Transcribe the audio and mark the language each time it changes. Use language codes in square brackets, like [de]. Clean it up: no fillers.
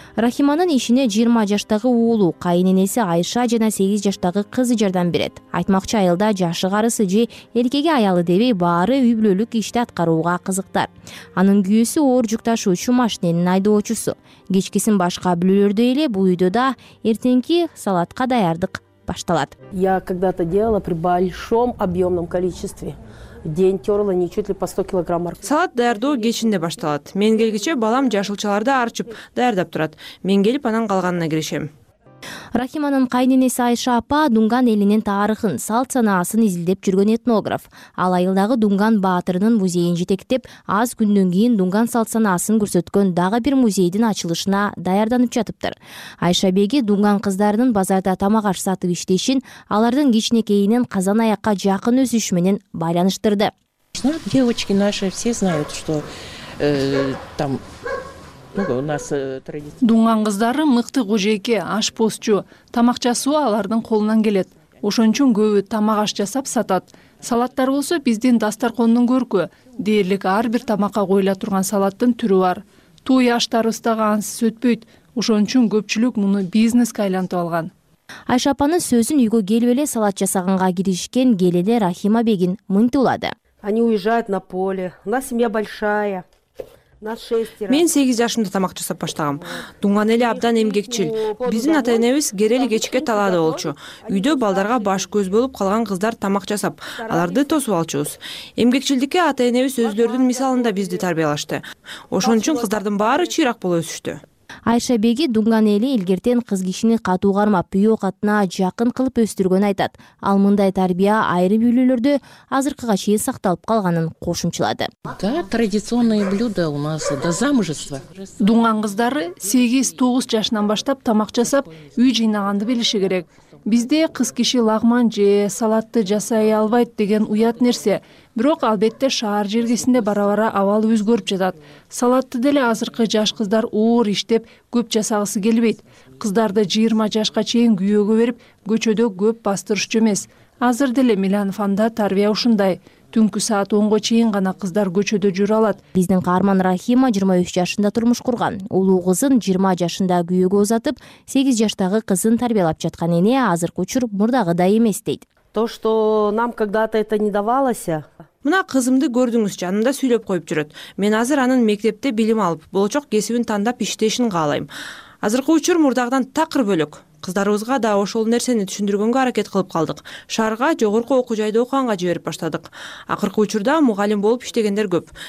[ky] Рахиманын ишине 20 жаштагы уулу, кайынэнеси Айша жана 8 жаштагы кызы жардам берет. Айтмакчы, айылда жаш чыгарысы же эркеги аялы деби баары үй бүлөлүк ишти аткарууга кызыктар. Анын күйөөсү оор жүк ташуучу машиненин айдоочусу. Кечкисин башка бүлөлөрдөй эле бул үйдө да эртеңки салатка даярдык башталат. [ru] Я когда-то делала при большом объемном количестве. День терла не чуть ли по 100 килограмм морковь. [ky] Салат даярдоо кечинде башталат. Мен келгиче балам жашылчаларды арчып даярдап турат. Мен келип анан калганына киришем. Рахиманын кайынэнеси Айша апа Дунган элинин тарыхын, салт санаасын изилдеп жүргөн этнограф. Ал айылдагы Дунган баатырынын музейин жетектеп, аз күндөн кийин Дунган салт санаасын көрсөткөн дагы бир музейдин ачылышына даярданып жатыптыр. Айша беги Дунган кыздарынын базарда тамак аш сатып иштешин, алардын кичинекейинен казан аякка жакын өсүш менен байланыштырды. [ru] Девочки наши все знают, что там [ky] Дунган кыздары мыкты кожойке, аш постчу. Тамак жасоо алардын колунан келет. Ошон үчүн көбү тамак аш жасап сатат. Салаттар болсо биздин дасторкондун көркү. Дээрлик ар бир тамакка коюла турган салаттын түрү бар. Туй аштарыбыздагы ансыз өтпөйт. Ошон үчүн көпчүлүк муну бизнеске айлантып алган. Айша апанын сөзүн үйгө келип эле салат жасаганга киришкен келине Рахима бегин мынтылады. [ru] Они уезжают на поле. У нас семья большая. [ky] Мен 8 жашымда тамак жасап баштагам. Дунган эли абдан эмгекчил. Биздин ата-энебиз керели кечке талаада болчу. Үйдө балдарга баш көз болуп калган кыздар тамак жасап, аларды тосуп алчубуз. Эмгекчилдикке ата-энебиз өзлөрдүн мисалында бизди тарбиялашты. Ошон үчүн кыздардын баары чыйрак болуп өсүштү. Айша беги Дунган эли илгертен кыз кишини катуу кармап, үй окатына жакын кылып өстүргөн айтат. Ал мындай тарбия айрым үйлөлөрдө азыркыга чейин сакталып калганын кошумчалады. [ru] Да, традиционное блюдо у нас до замужества. [ky] Дунган кыздары 8-9 жашынан баштап тамак жасап, үй жыйнаганды билиши керек. Бизде кыз киши лагман же салатты жасай албайт деген уят нерсе. Бирок албетте шаар жергесинде бара-бара абал өзгөрүп жатат. Салатты деле азыркы жаш кыздар оор иштеп көп жасагысы келбейт. Кыздарды 20 жашка чейин күйөөгө берип, көчөдө көп бастырышчу эмес. Азыр деле Милянфанда тарбия ушундай. Түнкү саат 10:00 чейин гана кыздар көчөдө жүрө алат. Биздин каарман Рахима 23 жашында турмуш курган. Улуу кызын 20 жашында күйөөгө узатып, 8 жаштагы кызын тарбиялап жаткан эне азыркы учур мурдагыдай эмес дейт. [ru] То, что нам когда-то это не давалось. [ky] Мына кызымды көрдүңүз, жанымда сүйлөп коюп жүрөт. Мен азыр анын мектепте билим алып, болочок кесибин тандап иштешин каалайм. Азыркы учур мурдагыдан такыр бөлөк. Кыздарыбызга да ошол нерсени түшүндүргөнгө аракет кылып калдык. Шаарга жогорку окуу жайды окуганга жиберип баштадык. Акыркы учурда мугалим болуп иштегендер көп.